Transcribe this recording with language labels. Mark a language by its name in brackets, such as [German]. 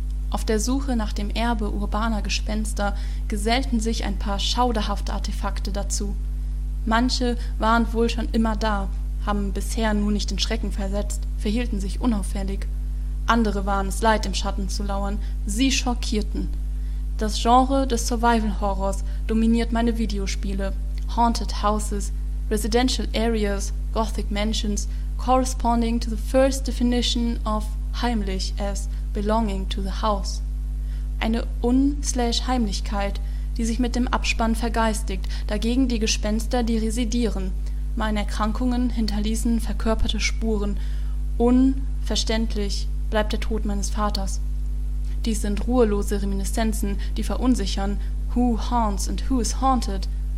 [German] Auf der Suche nach dem Erbe urbaner Gespenster gesellten sich ein paar schauderhafte Artefakte dazu. Manche waren wohl schon immer da, haben bisher nur nicht den Schrecken versetzt, verhielten sich unauffällig. Andere waren es leid, im Schatten zu lauern, sie schockierten. Das Genre des Survival-Horrors dominiert meine Videospiele. [English] Haunted Houses, Residential Areas, Gothic Mansions, corresponding to the first definition of heimlich as belonging to the house. [German] Eine Un/Heimlichkeit, die sich mit dem Abspann vergeistigt, dagegen die Gespenster, die residieren. Meine Erkrankungen hinterließen verkörperte Spuren. Unverständlich bleibt der Tod meines Vaters. Dies sind ruhelose Reminiszenzen, die verunsichern, [English] who haunts and who is haunted.